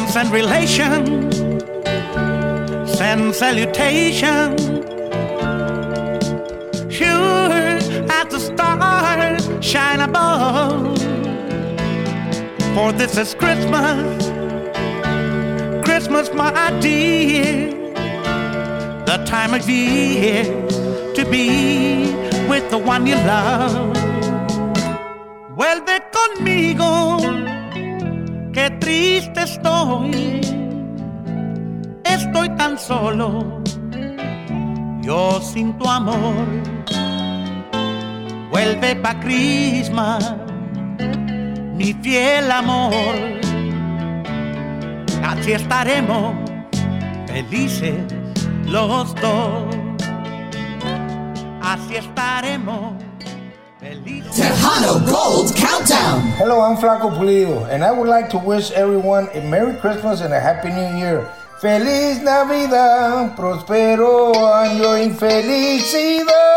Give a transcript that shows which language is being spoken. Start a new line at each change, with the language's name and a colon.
English: Relation, send salutation, sure as the stars shine above. For this is Christmas, Christmas, my dear, the time of year to be with the one you love.
Spanish: Vuelve conmigo, qué triste estoy. Estoy tan solo, yo sin tu amor. Vuelve pa' Christmas, mi fiel amor. Así estaremos felices los dos. Así estaremos felices.
English: Tejano Gold Countdown. Hello, I'm Flaco Pulido, and I would like to wish everyone a Merry Christmas and a Happy New Year.
Spanish: Feliz Navidad, Prospero Año Infelicidad.